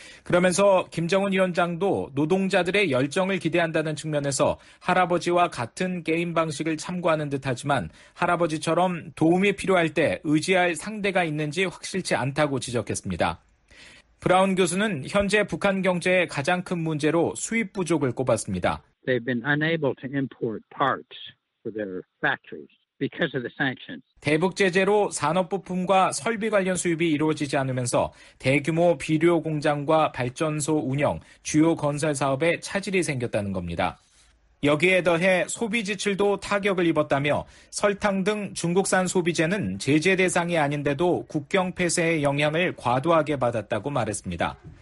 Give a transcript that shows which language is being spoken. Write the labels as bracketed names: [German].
[Korean] 그러면서 김정은 위원장도 노동자들의 열정을 기대한다는 측면에서 할아버지와 같은 게임 방식을 참고하는 듯하지만 할아버지처럼 도움이 필요할 때 의지할 상대가 있는지 확실치 않다고 지적했습니다. 브라운 교수는 현재 북한 경제의 가장 큰 문제로 수입 부족을 꼽았습니다. [English] They've been unable to import parts for their factories. because of the sanctions. [Korean] 대북 제재로 산업 부품과 설비 관련 수입이 이루어지지 않으면서 대규모 비료 공장과 발전소 운영, 주요 건설 사업에 차질이 생겼다는 겁니다. 여기에 더해 소비 지출도 타격을 입었다며 설탕 등 중국산 소비재는 제재 대상이 아닌데도 국경 폐쇄의 영향을 과도하게 받았다고 말했습니다.